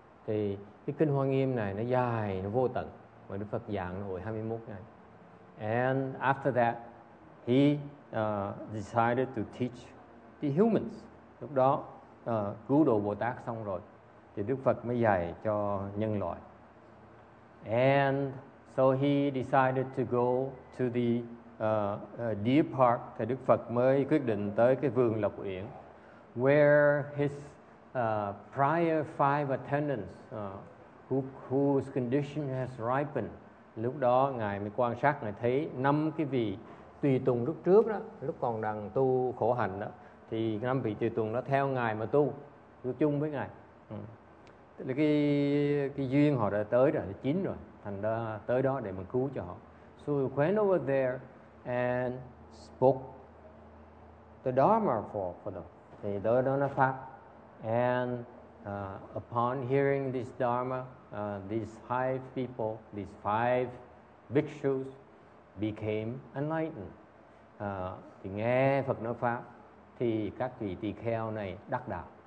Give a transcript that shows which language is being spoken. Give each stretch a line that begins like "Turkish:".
Vietnamese: Thì cái kinh Hoa Nghiêm này nó dài, nó vô tận. Mà Đức Phật giảng hồi 21 ngày.
English: And after that, he decided to teach the humans.
Vietnamese: Lúc đó, cứu độ Bồ Tát xong rồi, thì Đức Phật mới dạy cho nhân loại.
English: And so he decided to go to the deer park.
Vietnamese: Thì Đức Phật mới quyết định tới cái vườn Lộc Uyển,
English: where his prior five attendants, whose condition has ripened.
Vietnamese: Lúc đó ngài mới quan sát, ngài thấy năm cái vị tùy tùng lúc trước đó, lúc còn đang tu khổ hạnh đó, thì năm vị tùy tùng đó theo ngài mà tu chung với ngài. Là cái duyên họ đã tới rồi, chín rồi, thành ra tới đó để mà cứu cho họ.
English: So he went over there and spoke the Dharma for them.
Vietnamese: Thì tới đó nó phát.
English: And upon hearing this Dharma, these five people, these five bhikshus became enlightened.
Vietnamese: Thì nghe Phật nói pháp thì các vị tỳ kheo này đắc đạo.